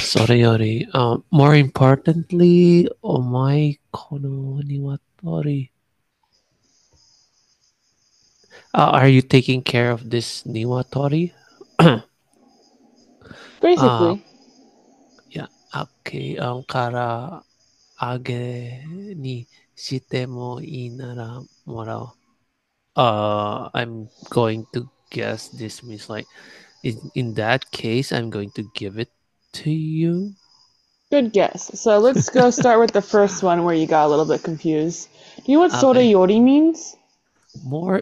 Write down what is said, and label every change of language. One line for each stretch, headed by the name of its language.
Japanese: それより、
English: more importantly,
Japanese: お前この鶏。
English: Are you taking care of this 鶏? Basically. OK。
Japanese: から揚げにしてもいいならもらおう。
English: I'm going to guess this means like, in that case, I'm going to give it to you. Good guess. So let's go start with the first one where you got a little bit confused. Do you know what sore Okay. yori means? More